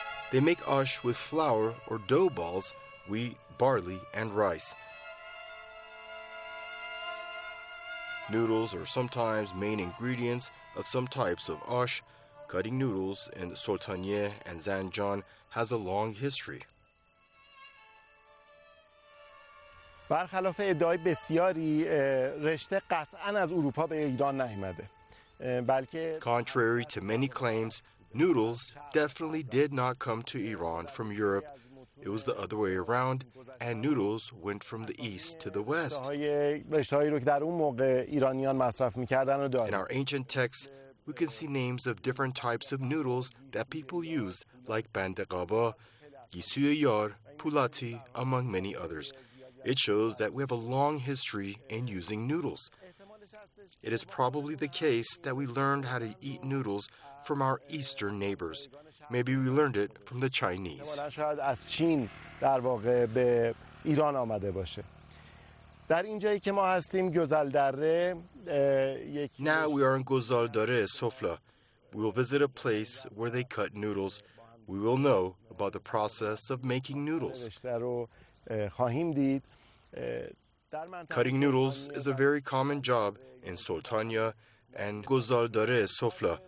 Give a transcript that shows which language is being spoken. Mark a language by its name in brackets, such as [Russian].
[English] They make osh with flour or dough balls, wheat, barley, and rice. Noodles are sometimes main ingredients of some types of osh. Cutting noodles in Sultaniyeh and Zanjan has a long history. [Persian] برخلاف ادعای بسیاری رشته قطعاً از اروپا به ایران نیامده بلکه [English] contrary to many claims, noodles definitely did not come to Iran from Europe. It was the other way around, and noodles went from the east to the west. In our ancient texts, we can see names of different types of noodles that people used, like bandeqaba, gisuye yar, pulati, among many others. It shows that we have a long history in using noodles. It is probably the case that we learned how to eat noodles from our eastern neighbors. Maybe we learned it from the Chinese. [Persian] شاید از چین در واقع به ایران آمده باشه. در اینجایی که ما هستیم گزلدره یک [English] Now we are in Gozaldare, Sofla. We will visit a place where they cut noodles. We will know about the process of making noodles. [Persian] خواهیم دید [English] Cutting noodles is a very common job in Sultaniyeh and Gozaldare Sofla.